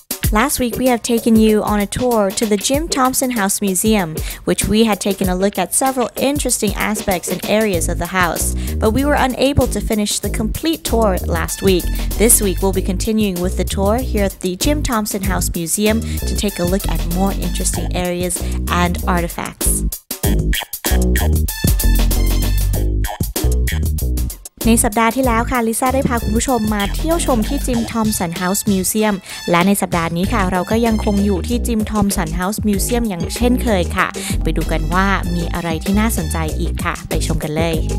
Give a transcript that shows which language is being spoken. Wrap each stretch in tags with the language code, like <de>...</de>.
<en>Last week, we have taken you on a tour to the Jim Thompson House Museum, which we had taken a look at several interesting aspects and areas of the house. But we were unable to finish the complete tour last week. This week, we'll be continuing with the tour here at the Jim Thompson House Museum to take a look at more interesting areas and artifacts.</en> <th>ในสัปดาห์ที่แล้วค่ะลิซ่าได้พาคุณผู้ชมมาเที่ยวชมที่จิมทอมสันเฮาส์มิวเซียมและในสัปดาห์นี้ค่ะเราก็ยังคงอยู่ที่จิมทอมสันเฮาส์มิวเซียมอย่างเช่นเคยค่ะไปดูกันว่ามีอะไรที่น่าสนใจอีกค่ะไปชมกันเลย</th>